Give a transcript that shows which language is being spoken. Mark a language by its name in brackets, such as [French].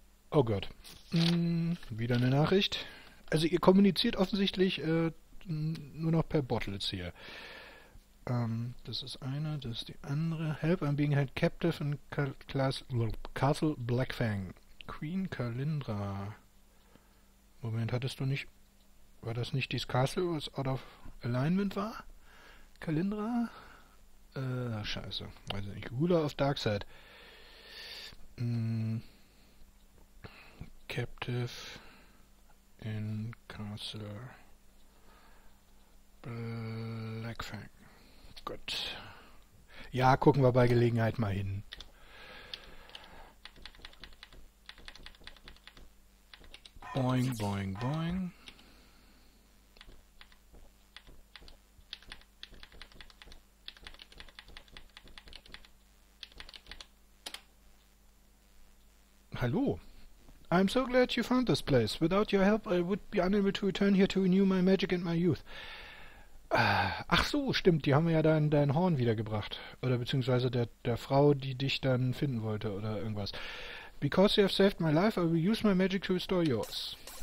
[German] Oh Gott. Wieder eine Nachricht. Also ihr kommuniziert offensichtlich nur noch per Bottles hier. Das ist eine, das ist die andere. [English] Help, I'm being held captive in Castle Blackfang. [German] Queen Kalindra. Moment, hattest du nicht. War das nicht dieses Castle, was [English] out of alignment [German] war? Kalindra? Scheiße. Weiß nicht. [English] Ruler of Darkseid. [German] Captive in Castle Blackfang. Gut. Ja, gucken wir bei Gelegenheit mal hin. Boing, boing, boing. [English] Hallo. I'm so glad you found this place. Without your help, I would be unable to return here to renew my magic and my youth. [German] Ach so, stimmt. Die haben ja dein Horn wiedergebracht. Oder beziehungsweise der Frau, die dich dann finden wollte oder irgendwas. [English] Because you have saved my life, I will use my magic to restore yours.